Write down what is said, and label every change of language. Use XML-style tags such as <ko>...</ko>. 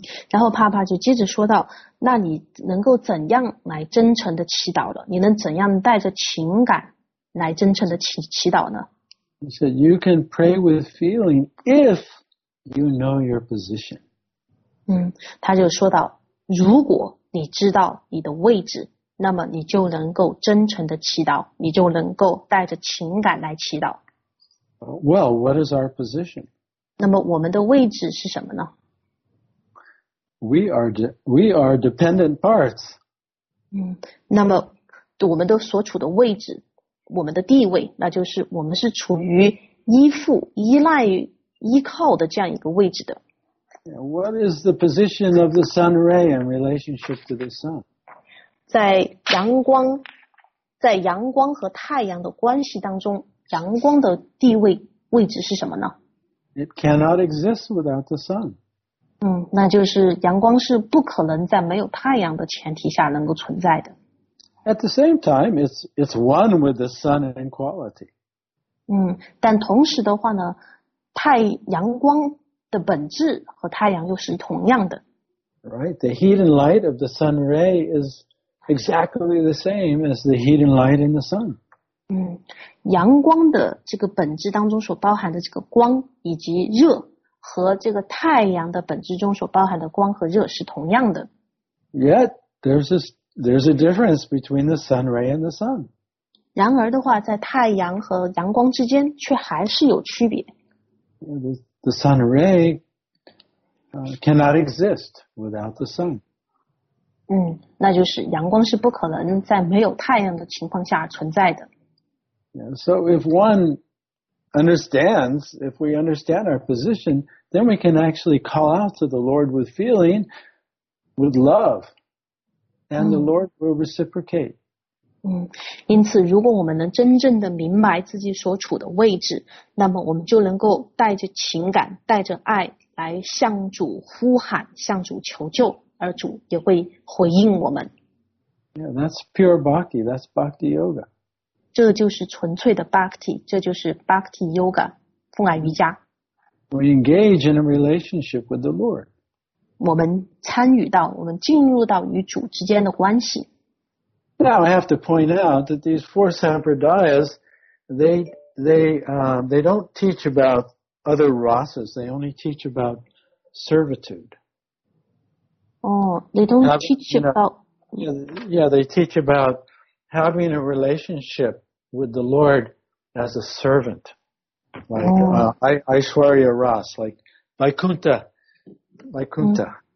<zh>然后帕帕就接着说到，那你能够怎样来真诚的祈祷了？你能怎样带着情感来真诚的祈祷呢？</zh> <en>He said, you can pray with feeling if you know your position.</en> <zh>他就说到，如果你知道你的位置，那么你就能够真诚的祈祷，你就能够带着情感来祈祷。</zh> <en>Well, what is our position?</en> <zh>那么我们的位置是什么呢？</zh> <en>We are dependent parts.</en> <zh>那么我们的所处的位置，我们的地位，那就是我们是处于依附、依赖、依靠的这样一个位置的。</zh> <en>What is the position of the sun ray in relationship to the sun?</en> <zh>在阳光和太阳的关系当中，阳光的地位位置是什么呢？</zh> <en>It cannot exist without the sun.</en> <zh>那就是阳光是不可能在没有太阳的前提下能够存在的。</zh> <en>At the same time, it's one with the sun in quality.</en> <zh>但同时的话呢，阳光的本质和太阳又是同样的。</zh> <en>Right, the heat and light of the sun ray is exactly the same as the heat and light in the sun.</en> <zh>阳光的这个本质当中所包含的这个光以及热，和这个太阳的本质中所包含的光和热是同样的。</zh> <en>Yet, there's a difference between the sun ray and the sun.</en> <zh>然而的话，在太阳和阳光之间却还是有区别。</zh> <en>The sun ray cannot exist without the sun.</en> <zh>那就是阳光是不可能在没有太阳的情况下存在的。</zh> <en>Yeah, so if we understand our position, then we can actually call out to the Lord with feeling, with love, and the Lord will reciprocate.</en> <zh>因此如果我们能真正的明白自己所处的位置，那么我们就能够带着情感，带着爱来向主呼喊，向主求救，而主也会回应我们。</zh> <en>Yeah, that's pure bhakti, that's bhakti yoga.</en> <zh>这就是纯粹的 bhakti, 这就是 bhakti yoga, 奉爱瑜伽。</zh> <en>We engage in a relationship with the Lord.</en> <zh>我们参与到，我们进入到与主之间的关系。</zh> <en>Now I have to point out that these four sampradayas, they don't teach about other rasas, they only teach about servitude. They teach about having a relationship with the Lord as a servant, Aishwarya Ras, like Vaikuntha, Vaikuntha.</en>